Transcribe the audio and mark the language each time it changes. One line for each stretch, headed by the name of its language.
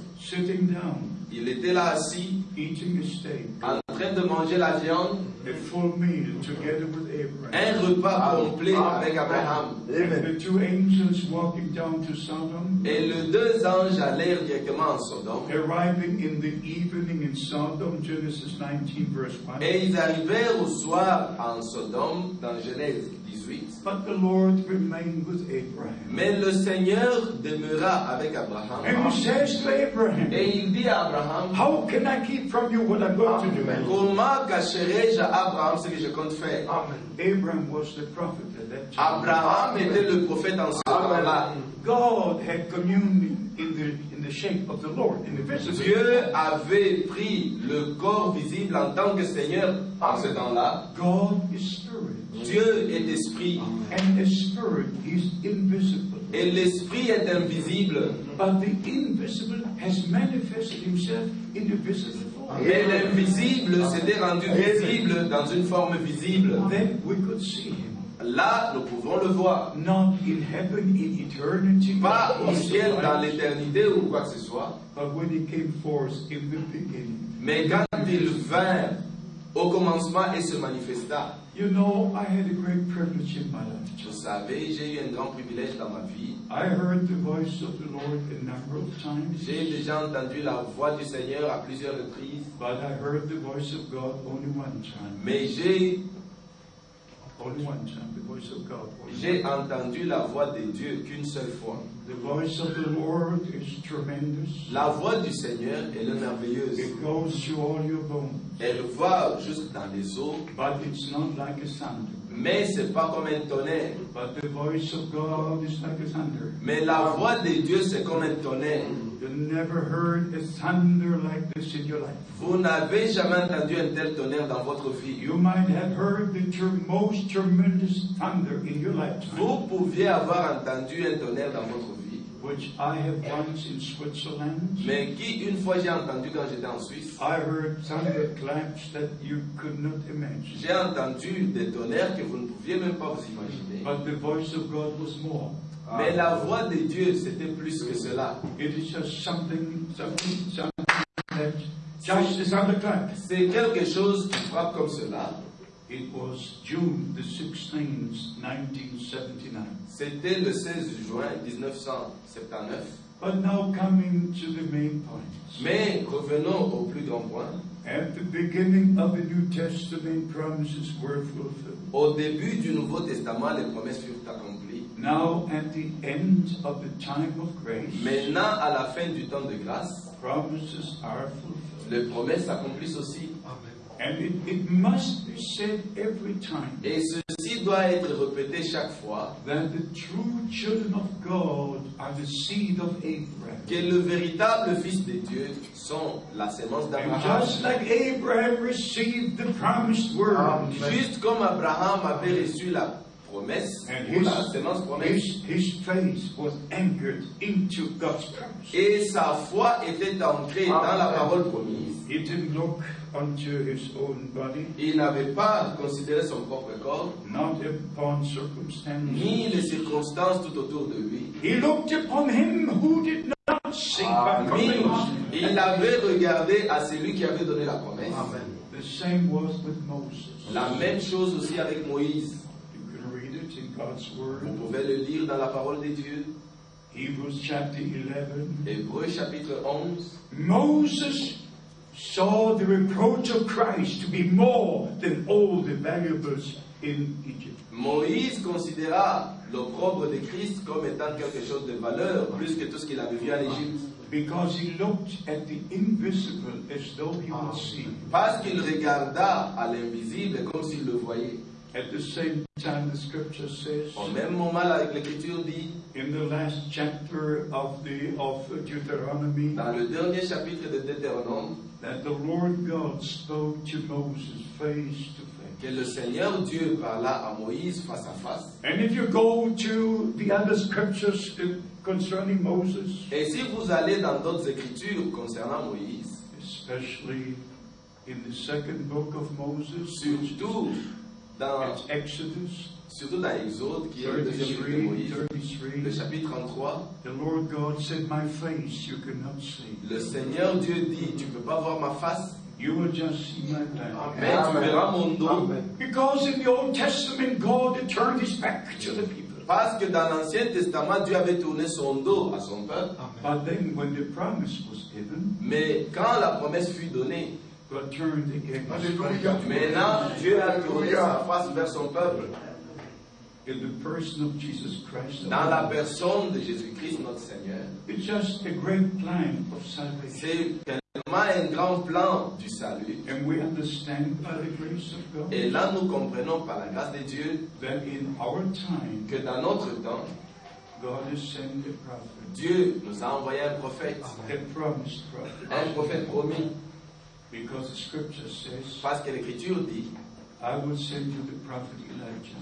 English: Sitting down.
French: Il était là assis.
English: Eating a steak.
French: En train de manger la viande.
English: A full meal together with Abraham.
French: Un repas complet avec Abraham.
English: And the two angels walking down to Sodom.
French: Et les deux anges allèrent directement en Sodome.
English: Arriving in the evening in Sodom, Genesis 19, verse 1.
French: Et ils arrivèrent au soir en Sodome, dans Genèse 18.
English: But the Lord remained with Abraham.
French: Mais le Seigneur demeura avec Abraham.
English: And he says to Abraham.
French: Et il dit à Abraham.
English: How can I keep from you what I'm going to do?
French: Comment cacherai-je à Abraham ce que je compte faire?
English: Abraham was the prophet at that time.
French: Abraham était le prophète en ce moment-là.
English: God had communion in the shape of the Lord in the visible.
French: Dieu avait pris le corps visible en tant que Seigneur en ce temps-là.
English: God is spirit.
French: Dieu est esprit.
English: And the spirit is invisible.
French: Et l'esprit est invisible.
English: But the invisible has manifested himself in the visible.
French: Mais l'invisible s'était rendu visible dans une forme visible.
English: Then we could see him.
French: Là, nous pouvons le voir.
English: Not in heaven, in eternity,
French: pas au ciel, dans l'éternité ou quoi que ce soit.
English: But when he came forth in the beginning,
French: mais quand il vint au commencement et se manifesta.
English: You know, I had a great privilege in my life.
French: Vous savez, j'ai eu un grand privilège dans ma vie.
English: I heard the voice of the Lord a number of times.
French: J'ai déjà entendu la voix du Seigneur à plusieurs reprises.
English: But I heard the voice of God only one time.
French: Mais j'ai
English: only one time, the voice of God.
French: J'ai entendu la voix de Dieu qu'une seule fois.
English: The voice of the Lord is tremendous.
French: La voix du Seigneur est merveilleuse.
English: It goes through all your bones.
French: Elle va jusque dans les os.
English: But it's not like a sound.
French: Mais ce n'est pas comme un tonnerre.
English: But the voice of God is like a thunder.
French: Mais la voix de Dieu, c'est comme un tonnerre.
English: You never heard a thunder like this in your life.
French: Vous n'avez jamais entendu un tel tonnerre dans votre vie.
English: You might have heard the most tremendous thunder in your life.
French: Vous pouviez avoir entendu un tonnerre dans votre vie.
English: Which I have once in Switzerland.
French: Mais qui une fois j'ai entendu quand j'étais en Suisse.
English: I heard thunder claps that you could not imagine.
French: J'ai entendu des tonnerres que vous ne pouviez même pas vous imaginer.
English: But the voice of God was more.
French: Mais la voix de Dieu, c'était plus que cela.
English: It is just something that just the sound of clap.
French: C'est quelque chose qui frappe comme cela.
English: It was June the 16th, 1979.
French: C'était le 16 juin 1979.
English: But now coming to the main point.
French: Mais revenons au plus grand point.
English: At the beginning of the New Testament, promises were fulfilled.
French: Au début du Nouveau Testament, les promesses furent accomplies.
English: Now at the end of the time of grace.
French: Maintenant à la fin du temps de grâce.
English: Promises are fulfilled.
French: Les promesses s'accomplissent aussi.
English: Amen. And it must be said every time.
French: Et ceci doit être répété chaque fois.
English: That the true children of God are the seed of Abraham.
French: Que le véritable fils de Dieu sont la semence d'Abraham.
English: And just like Abraham received the promised word.
French: Juste comme Abraham avait reçu la promesse,
English: and
French: ou la semence promise.
English: His faith was anchored into God's promise.
French: Et sa foi était ancrée dans la parole promise.
English: He didn't look unto his own body.
French: Il n'avait pas considéré son propre corps.
English: Not upon circumstances.
French: Ni les circonstances tout autour de lui.
English: He looked upon him who did not sink by promise.
French: Il avait regardé à celui qui avait donné la promesse.
English: Amen. The same was with Moses.
French: La même chose aussi avec Moïse.
English: You can read it in God's word.
French: Vous pouvez le lire dans la parole de Dieu.
English: Hebrews chapter 11.
French: Hébreux chapitre 11.
English: Moses saw the reproach of Christ to be more than all the valuables in Egypt.
French: Moïse considéra l'opprobre de Christ comme étant quelque chose de valeur plus que tout ce qu'il avait vu en Égypte.
English: Because he looked at the invisible as though he was seen.
French: Parce qu'il regarda à l'invisible comme s'il le voyait.
English: At the same time, the scripture says.
French: Au même moment, l'écriture dit.
English: In the last chapter of Deuteronomy.
French: Dans le dernier chapitre de Deutéronome.
English: That the Lord God spoke to Moses face to face.
French: Que le Seigneur Dieu parla à Moïse face à face.
English: And if you go to the other scriptures concerning Moses.
French: Et si vous allez dans d'autres écritures concernant Moïse.
English: Especially in the second book of Moses.
French: Surtout. Dans Exodus, surtout dans Exode, qui est le deuxième livre de Moïse,
English: 33,
French: le chapitre 33,
English: the Lord God said, "My face you cannot see."
French: Le Seigneur Dieu dit, tu ne peux pas voir ma face.
English: You will just see my back.
French: Mais tu verras mon dos.
English: Amen. Because in the Old Testament, God turned his back to the people.
French: Parce que dans l'Ancien Testament, Dieu avait tourné son dos à son peuple.
English: But then, when the promise was given,
French: mais quand la promesse fut donnée,
English: but turned again.
French: Maintenant, Dieu a tourné sa face vers son peuple.
English: In the person of Jesus Christ.
French: Dans la personne de Jésus-Christ, notre Seigneur.
English: It's just a great plan of salvation.
French: C'est tellement un grand plan du salut.
English: And we understand by the grace of God.
French: Et là, nous comprenons par la grâce de Dieu.
English: That in our time.
French: Que dans notre temps.
English: God has sent a prophet.
French: Dieu nous a envoyé un prophète.
English: A promised prophet.
French: Un prophète promis.
English: Because the scripture says,
French: parce que l'écriture dit,
English: I will send you the prophet Elijah.